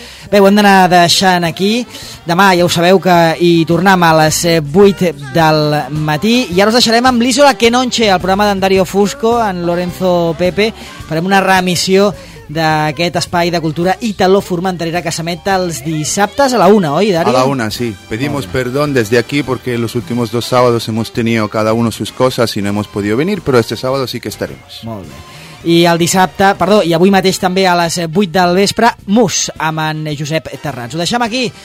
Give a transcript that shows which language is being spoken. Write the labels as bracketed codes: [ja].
[ca] Bé, ho hem d'anar deixant aquí. Demà, ja ho sabeu, que hi tornem a les 8 del matí. I ara us deixarem amb l'Isola Que Nonche, el programa d'en Dario Fusco, en Lorenzo Pepe. Farem una reemissió d'aquest espai de cultura italo-formenterera que s'emet els dissabtes a la una, oi, Dario? A la una, sí. [es] Pedimos perdón desde aquí porque los últimos dos sábados hemos tenido cada uno sus cosas y no hemos podido venir, pero este sábado sí que estaremos. [ca] Molt bé. I el dissabte, perdó, i avui mateix també a les 8 del vespre, Mus amb en Josep Terrans. Ho deixem aquí.